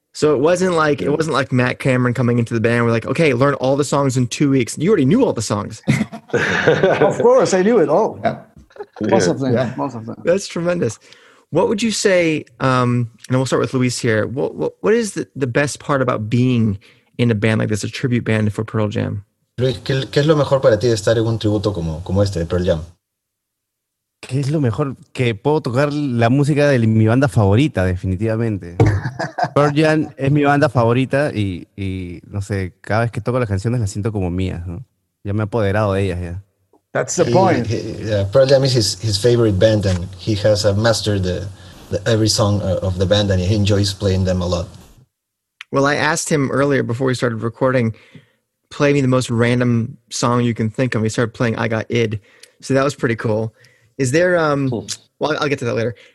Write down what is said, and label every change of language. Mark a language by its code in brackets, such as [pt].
[en] So it wasn't like Matt Cameron coming into the band. We're like, okay, learn all the songs in 2 weeks. You already knew all the songs. Of course, I knew it all. Yeah. Most of them. That's tremendous. What would you say, and we'll start with Luis here, what is the best part about being in a band like this, a tribute band for Pearl Jam? [es] ¿Qué es lo mejor para ti de estar en un tributo como este de Pearl Jam? ¿Qué es lo mejor? Que puedo tocar la música de mi banda favorita, definitivamente. Pearl Jam es mi banda favorita y no sé, cada vez que toco las canciones las siento como mías, ¿no? Ya me he apoderado de ellas ya. [en] That's the point. Pearl Jam is his favorite band and he has mastered the every song of the band and he enjoys playing them a lot. Well, I asked him earlier before we started recording, play me the most random song you can think of. He started playing I Got Id. So that was pretty cool. Is there, I'll get to that later.